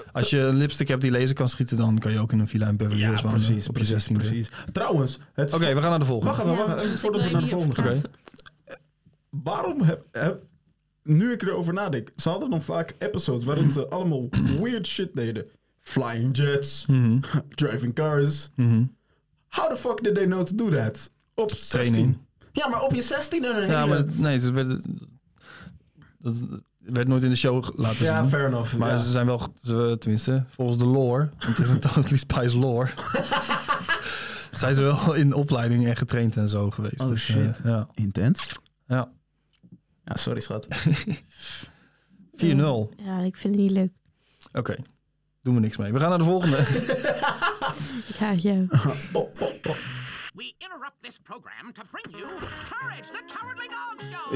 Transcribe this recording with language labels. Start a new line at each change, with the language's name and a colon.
Dutch: Als je een lipstick hebt die laser kan schieten, dan kan je ook in een villa in Beverly Hills wonen. Precies. Op je 16e. Precies. Trouwens... Oké, we gaan naar de volgende. Wacht even, voordat we naar de volgende gaan. Waarom heb nu ik erover nadenk, ze hadden dan vaak episodes waarin ze allemaal weird shit deden.
English: Flying jets, driving cars. Mm-hmm. How the fuck did they know to do that?
Dutch: Op 16. Training. Ja, maar op je 16 en een hele... Ja, maar nee, ze werd nooit in de show laten zien.
English: Ja, fair enough.
Dutch: Maar ze zijn wel, tenminste, volgens de lore, want het is een Totally Spies lore, zijn ze wel in opleiding en getraind en zo geweest. Oh dus, shit, intens. Ja. Ja, sorry schat. 4-0. Ja, ik vind het niet leuk. Oké. Doen we niks mee. We gaan naar de volgende. Ja, joh.
English: we interrupt this program to bring you Courage, the Cowardly Dog Show.